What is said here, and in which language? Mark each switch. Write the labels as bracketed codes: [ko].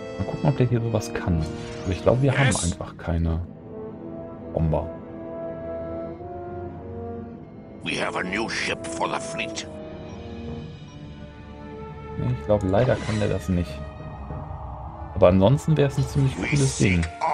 [de] Mal gucken, ob der hier sowas kann. Aber ich glaube, wir haben einfach keine Bomber. [en] We have a new ship for the fleet. [de] Nee, ich glaube, leider kann der das nicht. Aber ansonsten wäre es ein ziemlich cooles Ding.